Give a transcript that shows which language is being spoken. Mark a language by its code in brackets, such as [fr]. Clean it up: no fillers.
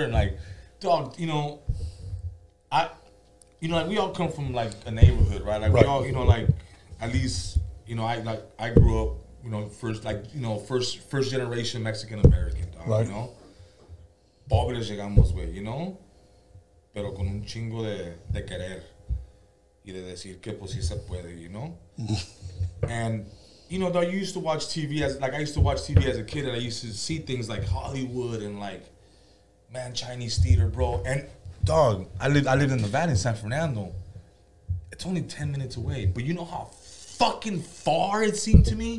[en] And, like, dog, you know... We all come from like a neighborhood, right? Like we all, you know, like at least, you know, I grew up, you know, first generation Mexican American, dog, right. You know. [es] Pobres llegamos, güey, [en] you know? [es] Pero con un chingo de querer y de decir que pues sí se puede, [en] you know? And you know, though, I used to watch TV as a kid and I used to see things like Hollywood and like, man, Chinese Theater, bro. And dog, I lived in Nevada, in San Fernando. It's only 10 minutes away, but you know how fucking far it seemed to me?